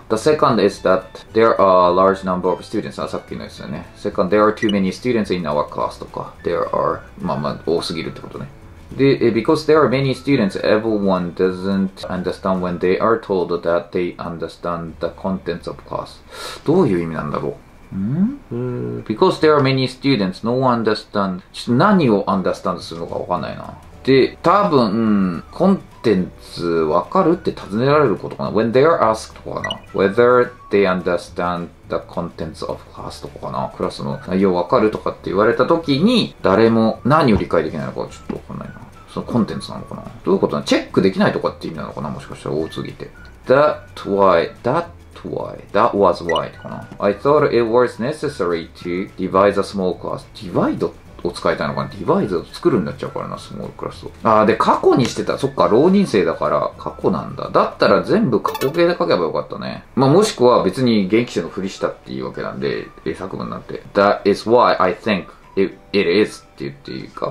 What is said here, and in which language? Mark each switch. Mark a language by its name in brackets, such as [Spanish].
[English] The second is that there are a large number of students. [Japanese] あ、さっきのやつだね。 [English] Second, there are too many students in our class [Japanese] とか。 [English] There are, [Japanese] まあまあ、多すぎるってことね。 [English] で、because there are many students, everyone doesn't understand when they are told that they understand the contents of class. [Japanese] どういう意味なんだろう？ [English] Because there are many students, no one understand. [Japanese] ちょっと何を understand するのかわかんないな。で、多分、コンテンツわかるって尋ねられることかな。 [English] when they are asked [Japanese] とかかな。 [English] whether they understand the contents of class とかかな。 [Japanese] クラスの内容わかるとかって言われた時に、誰も何を理解できないのかちょっとわかんないな。そのコンテンツなのかな。どういうことなの？チェックできないとかって意味なのかな。もしかしたら多すぎて。 [English] that why, that why, that was why [Japanese] かな。 [English] I thought it was necessary to divide a small class. [Japanese] divide? を使いたいのかな。ディバイザーを作るんだっちゃうからな、スモールクラスを。ああ、で、過去にしてた。そっか、浪人生だから、過去なんだ。だったら全部過去形で書けばよかったね。まあ、もしくは別に現役生のふりしたっていうわけなんで、英作文なんて。 [English] That is why I think it is [Japanese] って言っていいか。